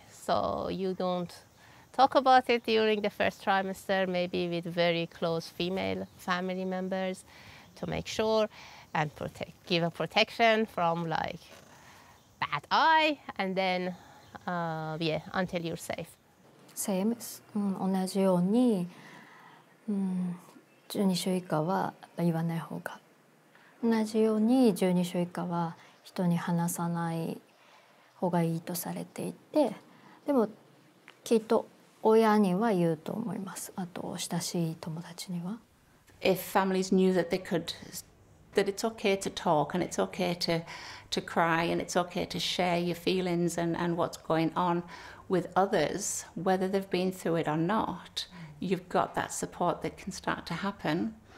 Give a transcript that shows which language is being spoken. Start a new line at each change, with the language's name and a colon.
English: So you don't talk about it during the first trimester, maybe with very close female family members to make sure and protect, give a protection from like bad eye, and then until you're safe. Same,
Japanese: 同じように、12週以下は言わない方が、同じように12週以下は人に話さない方がいいとされていて、でもきっと親には言うと思います。あと親しい友達には。
English: If families knew that they could, that it's okay to talk and it's okay to cry and it's okay to share your feelings and what's going on. With others, whether they've been through it or not, you've got that support that can start to happen.